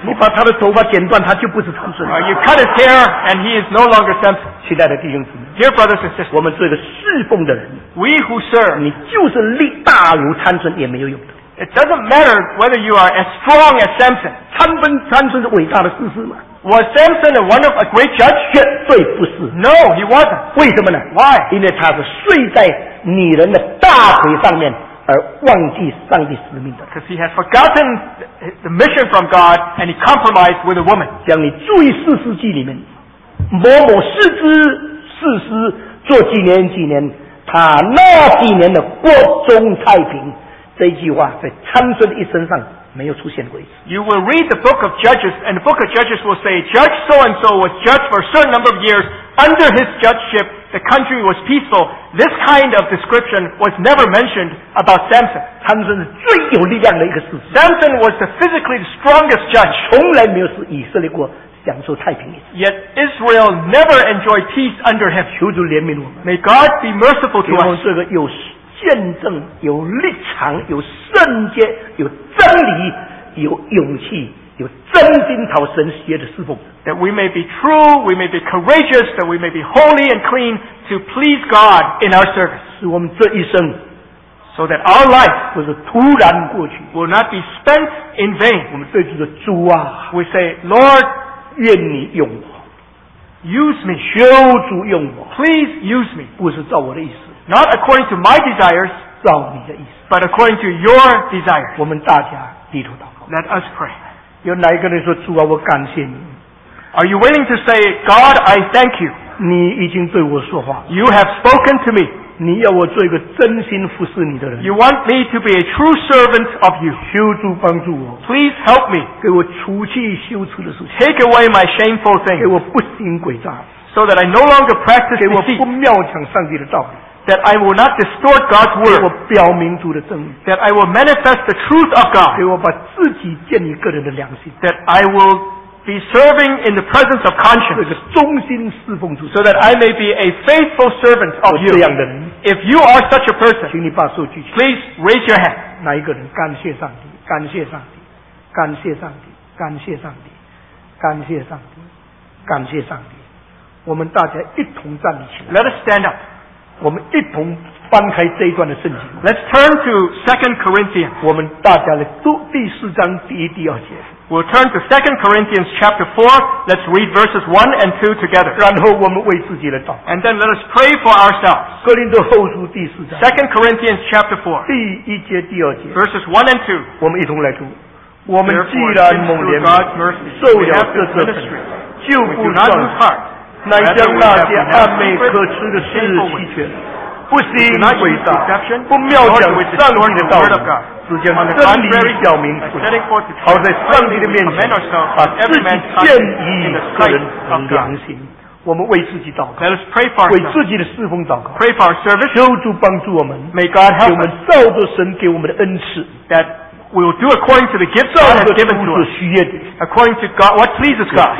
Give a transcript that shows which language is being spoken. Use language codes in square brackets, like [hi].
[zh] 你把他的头发剪断他就不是参孙。 [en] You cut his hair, and he is no longer Samson. [zh] 亲爱的弟兄姊妹。 [en] Dear brothers and sisters. [zh] 我们做一个侍奉的人。 [en] We who serve. [zh] 你就是力大如参孙也没有用的。 [en] It doesn't matter whether you are as strong as Samson. [zh] 参孙是伟大的士师嘛。 [en] Was Samson a one of a great judge? [zh] 绝对不是。 [en] No, he wasn't. [zh] 为什么呢 [en] ？Why? [zh] 因为他是睡在女人的大腿上面，而忘记上帝使命的。 [en] Because he had forgotten the mission from God and he compromised with a woman. [zh] 像你注意四世纪里面，某某士师士师做几年几年，他那几年的国中太平，这句话在参孙一身上。没有出现过一次。 [en] You will read the book of Judges, and the book of Judges will say, Judge so-and-so was judged for a certain number of years. Under his judgeship, the country was peaceful. This kind of description was never mentioned about Samson. [zh] 参孙是最有力量的一个士师。 [en] Samson was the physically strongest judge. [zh] 从来没有使以色列国享受太平一次。 [en] Yet Israel never enjoyed peace under him. [zh] 求主怜悯我们。 [en] May God be merciful to us. [zh] 给我们这个有见证有立场有圣洁有真理有勇气有真心讨神喜悦的侍奉 [en] that we may be true we may be courageous that we may be holy and clean to please God in our service [zh] 使我们这一生 [en] so that our life [zh] 不是突然过去 [en] will not be spent in vain [zh] 我们对主的主啊 [en] we say Lord [zh] 愿你用我 [en] use me [zh] 求主用我 [en] please use me [zh] 不是照我的意思 [en] Not according to my desires, [zh] 照你的意思 [en] but according to your desires. [zh] 我们大家低头祷告 [en] Let us pray. [zh] 有哪一个人说主啊，我感谢你。 [en] Are you willing to say, God, I thank you? [zh] 你已经对我说话。 [en] You have spoken to me. [zh] 你要我做一个真心服侍你的人。 [en] You want me to be a true servant of you. [zh] 求主帮助我。 [en] Please help me. [zh] 给我除去羞耻的事情。 [en] Take away my shameful things. [zh] 给我不行诡诈。 [en] So that I no longer practice deceit. [zh] 给我不妙想上帝的道理。 [en] That I will not distort God's word. [zh] 给我表明主的真理。 [en] That I will manifest the truth of God. [zh] 给我把自己建立个人的良心。 [en] That I will be serving in the presence of conscience. [zh] 这个忠心侍奉主。 [en] So that I may be a faithful servant of you. [zh] 这样的人。 [en] If you are such a person, [zh] 请你把手举起。 [en] Please raise your hand. [zh] 哪一个人？感谢上帝，感谢上帝，感谢上帝，感谢上帝，感谢上帝，感谢上帝。我们大家一同站立起来。 [en] Let us stand up. [zh] 我们一同翻开这一段的圣经。 [en] Let's turn to 2 Corinthians. [zh] 我们大家来读第四章第一、第二节。 [en] We'll turn to 2 Corinthians chapter 4. Let's read verses 1 and 2 together. [zh] 然后我们为自己来祷告。 [en] And then let us pray for ourselves. [zh] 哥林多后书第四章。 [en] 2 Corinthians chapter 4. [zh] 第一节、第二节。 [en] Verses 1 and 2. [zh] 我们一同来读。我们既然蒙怜悯，受了各种的苦，就不算了。乃将那些暗昧可耻的事弃权，不行诡诈，不妙想上帝的道理，只将真理表明出来，好在上帝的面前把自己建立个人的良心。我们为自己祷告，为自己的侍奉祷告，求主帮助我们，给我们照着神给我们的恩赐。 [en] We will do according to the gifts God has given to us. According to God, what pleases God.